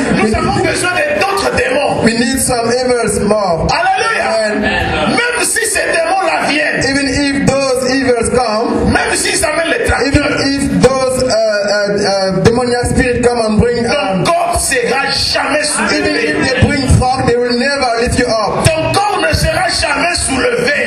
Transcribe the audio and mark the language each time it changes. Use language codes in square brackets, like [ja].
[fr] Nous avons besoin d'autres démons. [en] We need some evils more. Alléluia. Amen. [fr] Même si ces démons la viennent. [en] Even if those evils come. [fr] Même si ça met les tracteurs. [en] Even if those demoniac spirits come and bring. [fr] Ton corps sera jamais soulevé. [en] Even if they bring fog, they will never lift you up. [fr] Ton corps ne sera jamais soulevé.